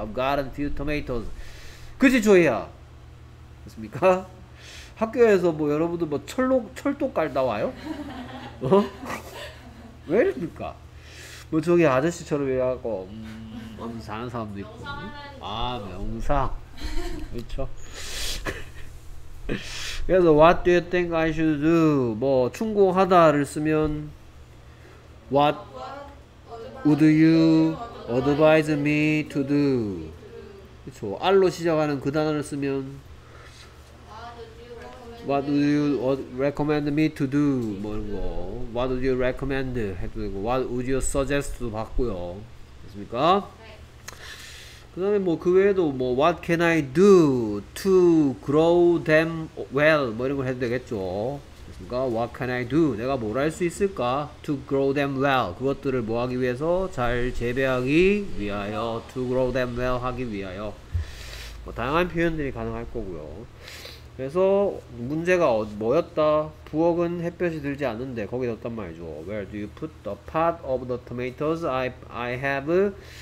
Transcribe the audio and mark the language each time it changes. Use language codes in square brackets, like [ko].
[en] I've gotten few tomatoes. [ko] 그치 조이야? 그렇습니까? 학교에서 뭐 여러분들 뭐 철도 깔다 와요? 어? 왜 이랬습니까? 뭐 저기 아저씨처럼 이래갖고 명사 하는 사람도 있고. 아, 명사. 그렇죠. 그래서 [en] what do you think I should do? [ko] 뭐 충고하다를 쓰면 [en] what would you advise me to do? [ko] 그렇죠. 알로 시작하는 그 단어를 쓰면 [en] what would you recommend me to do? [ko] 뭐 이런 거. [en] what would you recommend [ko] 해도 되고 [en] what would you suggest도 [ko] 받고요. 됐습니까? 그 다음에 뭐 그 외에도 뭐 [en] What can I do to grow them well? [ko] 뭐 이런 걸 해도 되겠죠. 그러니까 [en] What can I do? [ko] 내가 뭘 할 수 있을까? [en] To grow them well. [ko] 그것들을 뭐 하기 위해서? 잘 재배하기 위하여. [en] To grow them well [ko] 하기 위하여. 뭐 다양한 표현들이 가능할 거고요. 그래서 문제가 뭐였다? 부엌은 햇볕이 들지 않는데 거기 뒀단 말이죠. [en] Where do you put the pot of the tomatoes I have?